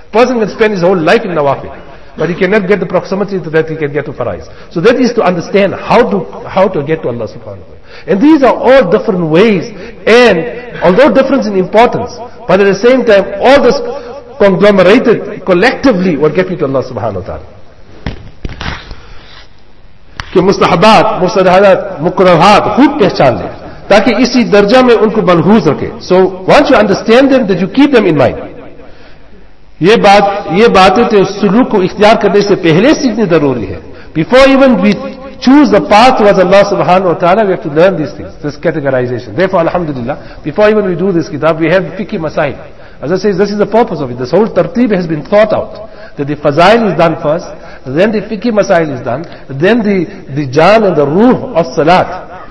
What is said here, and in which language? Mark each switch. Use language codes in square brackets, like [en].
[en] Person can spend his whole life in nawafil, but he cannot get the proximity to that he can get to faraiz. So that is to understand how to get to Allah subhanahu wa ta'ala. And these are all different ways, and although difference in importance, but at the same time, all this conglomerated collectively will get you to Allah subhanahu wa ta'ala. [ur] مستحبات مستحبات مقرحات خوب پہچان لیں تاکہ اسی درجہ میں ان کو ملحوظ رکھیں. [en] So once you understand them, that you keep them in mind. [ur] یہ باتیں تو سلوک کو اختیار کرنے سے پہلے سیکھنی ضروری ہے. [en] Before even we choose the path towards Allah subhanahu wa ta'ala, we have to learn these things, this categorization. Therefore, alhamdulillah, before even we do this kitab, we have fiqh masail. As I say, this is the purpose of it. This whole tartib has been thought out, that the fazail is done first, then the fiqh masail is done, then the jaan and the ruh of salat.